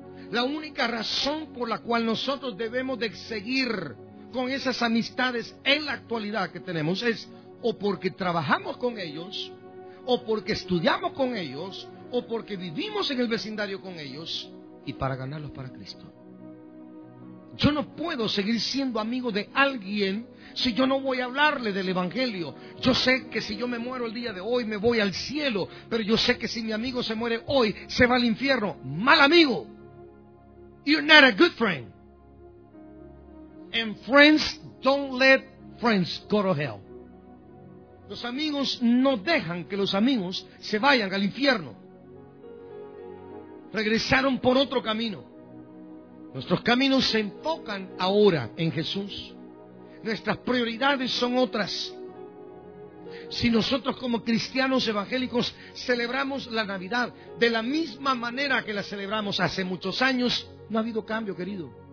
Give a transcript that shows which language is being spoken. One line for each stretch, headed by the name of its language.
Spanish: La única razón por la cual nosotros debemos de seguir con esas amistades en la actualidad que tenemos es o porque trabajamos con ellos, o porque estudiamos con ellos, o porque vivimos en el vecindario con ellos, y para ganarlos para Cristo. Yo no puedo seguir siendo amigo de alguien si yo no voy a hablarle del Evangelio. Yo sé que si yo me muero el día de hoy, me voy al cielo, pero yo sé que si mi amigo se muere hoy, se va al infierno. ¡Mal amigo!
English: You're not a good friend. And friends don't let friends go to hell.
Spanish: Los amigos no dejan que los amigos se vayan al infierno. Regresaron por otro camino. Nuestros caminos se enfocan ahora en Jesús. Nuestras prioridades son otras. Si nosotros como cristianos evangélicos celebramos la Navidad de la misma manera que la celebramos hace muchos años, no ha habido cambio, querido.